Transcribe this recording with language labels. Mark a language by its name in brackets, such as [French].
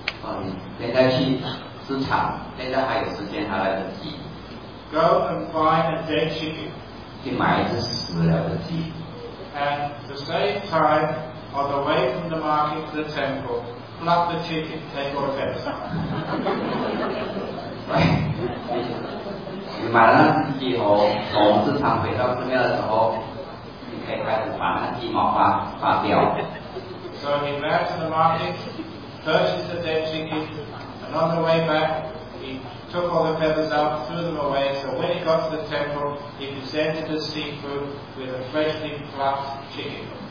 [English] Go and find a dead chicken. And at the same time, on the way from the market to the temple, pluck the chicken, take all the feathers out. [Chinese] 买了那只鸡后，从市场回到寺庙的时候，你可以开始把那鸡毛发掉。 [English] So he went to the market, purchased the dead chicken, and on the way back, he took all the feathers out, threw them away, so when he got to the temple, he presented the seafood with a freshly plucked chicken.